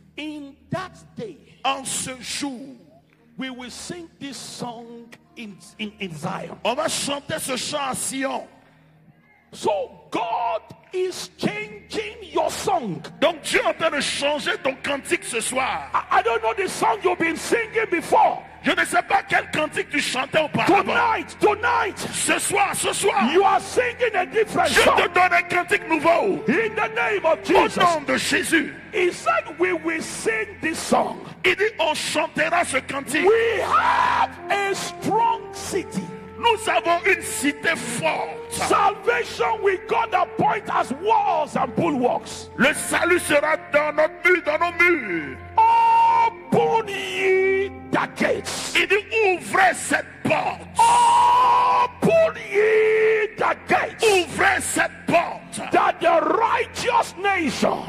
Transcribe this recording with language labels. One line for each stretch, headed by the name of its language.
English: in that day,
French: en ce jour,
English: we will sing this song in Zion.
French: On va chanter ce chant à Sion.
English: So God is changing your song.
French: Donc Dieu est en train de changer ton cantique ce soir.
English: I don't know the song you've been singing before.
French: Je ne sais pas quel cantique tu chantais auparavant.
English: Tonight, tonight.
French: Ce soir,
English: you are singing a different
French: je
English: song.
French: Je te donne un cantique nouveau.
English: In the name of Jesus.
French: Au nom de Jésus.
English: He said we will sing this song.
French: Il dit on chantera ce cantique.
English: We have a strong city.
French: Nous avons une cité forte.
English: Salvation we God appoint as walls and bulwarks.
French: Le salut sera dans notre mur, dans nos murs.
English: Open ye the gates.
French: Il dit ouvrez cette porte.
English: Open ye the gates.
French: Ouvrez cette porte.
English: That the righteous nation.